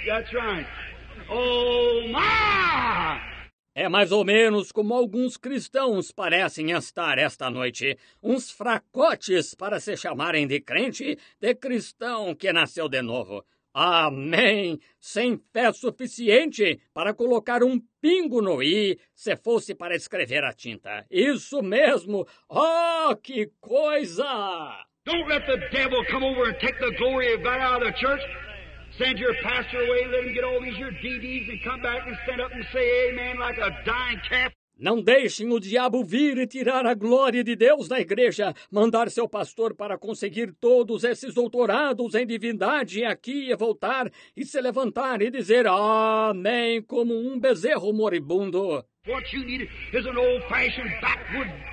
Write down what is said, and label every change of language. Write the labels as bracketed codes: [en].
[en] That's right. Oh, my! [pt] É mais ou menos como alguns cristãos parecem estar esta noite. Uns fracotes para se chamarem de crente, de cristão que nasceu de novo. Amém! Sem fé suficiente para colocar um pingo no i, se fosse para escrever a tinta. Isso mesmo! Oh, que coisa! [en] Don't let the devil come over and take the glory of God out of the church. Send your pastor away, let him get all these your DDs and come back and stand up and say amen like a dying calf. [pt] Não deixem o diabo vir e tirar a glória de Deus da igreja, mandar seu pastor para conseguir todos esses doutorados em divindade aqui e voltar e se levantar e dizer amém como um bezerro moribundo. [en] What you need is an old-fashioned backwood.